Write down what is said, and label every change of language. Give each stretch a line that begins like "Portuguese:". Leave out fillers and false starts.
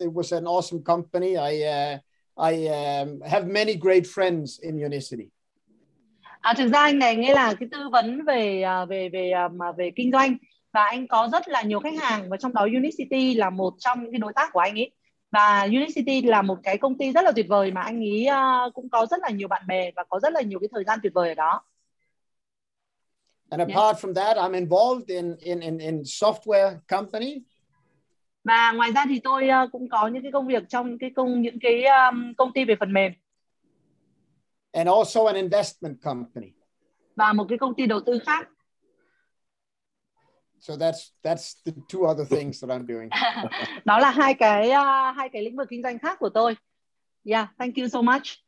English: It was an awesome company. I have many great friends in Unicity.
Vietnamese: Thực ra anh này nghe là cái tư vấn về kinh doanh và anh có rất là nhiều khách hàng và trong đó Unicity là một trong những cái đối tác của anh ấy. Và Unicity là một cái công ty rất là tuyệt vời mà anh ấy cũng có rất là nhiều bạn bè và có rất là nhiều cái thời gian tuyệt vời ở đó.
English: And apart from that, I'm involved in software company.
Vietnamese: Và ngoài ra thì tôi cũng có những cái công việc trong những cái công ty về phần mềm.
English: And also an investment company.
Vietnamese: Và một cái công ty đầu tư khác.
English: So that's the two other things that I'm doing.
Vietnamese: Đó là hai cái lĩnh vực kinh doanh khác của tôi.
English: Yeah, thank you so much.